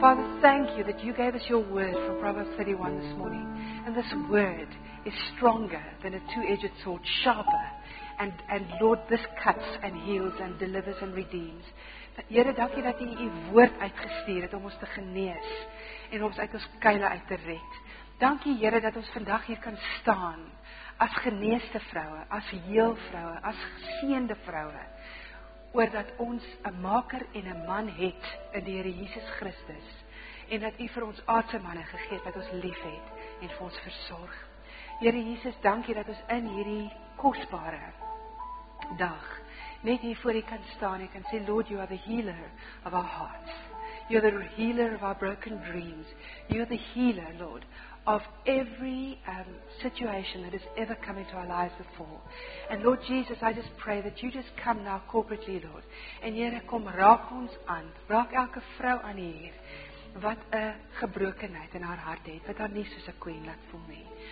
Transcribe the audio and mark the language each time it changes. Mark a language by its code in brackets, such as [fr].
[en] Father, thank you that you gave us your word from Proverbs 31 this morning. And this word is stronger than a two-edged sword, sharper. And Lord, this cuts and heals and delivers and redeems. [af] Here, [en] thank you that you have [af] woord uitgestuur het om ons te genees en om ons uit ons kuile uit te red. [en] Thank you, [af] Here, that ons vandag hier kan staan as geneeste vrouwe, as heel vrouwe, as geseende vrouwe, oor dat ons een maker en een man het in die Here Jesus Christus en dat u vir ons aardse manne gegeet wat ons lief het en vir ons verzorg. Here Jesus, dank u dat ons in hierdie kostbare dag net hier voor u kan staan en kan sê, [en] Lord, you are the healer of our hearts. You are the healer of our broken dreams. You are the healer, Lord, of every situation that has ever come into our lives before. And Lord Jesus, I just pray that you just come now corporately, Lord. [af] En Here, kom, raak ons aan. Raak elke vrou aan hier, wat een gebrokenheid in haar hart het, wat haar nie soos een queen laat voel nie.